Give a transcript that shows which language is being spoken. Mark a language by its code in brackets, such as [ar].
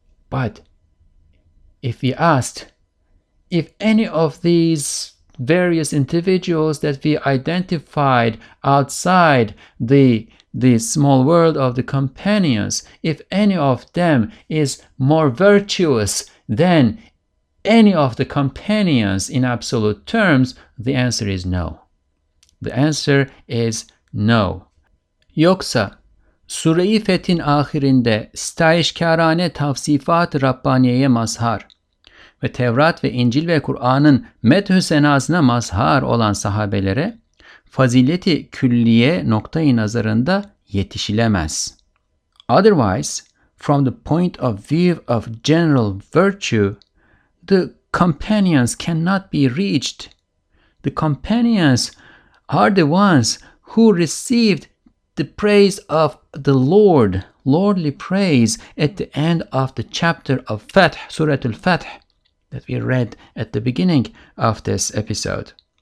[en] But if we asked, if any of these various individuals that we identified outside the small world of the companions, if any of them is more virtuous than any of the companions in absolute terms, the answer is no. The answer is no. [tr] Yoksa Sure-i Fetih'in ahirinde staişkârâne tavsifat-ı Rabbaniye'ye mazhar ve Tevrat ve İncil ve Kur'an'ın medh-ü senasına mazhar olan sahabelere fazileti külliye noktayı nazarında yetişilemez. [en] Otherwise, from the point of view of general virtue, the companions cannot be reached. The companions are the ones who received the praise of the Lord, lordly praise, at the end of the chapter of Fath, Suratul Fath, that we read at the beginning of this episode.